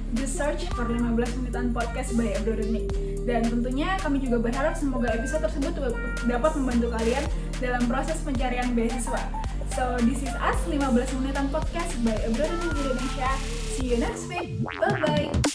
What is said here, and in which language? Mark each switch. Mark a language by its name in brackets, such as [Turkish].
[English] Just search for 15 menitan podcast by Abdurrahim. [Indonesian] Dan tentunya kami juga berharap semoga episode tersebut dapat membantu kalian dalam proses pencarian beasiswa. [English] So, this is us, 15 menitan podcast by Abdurrahim Indonesia. See you next week. Bye-bye.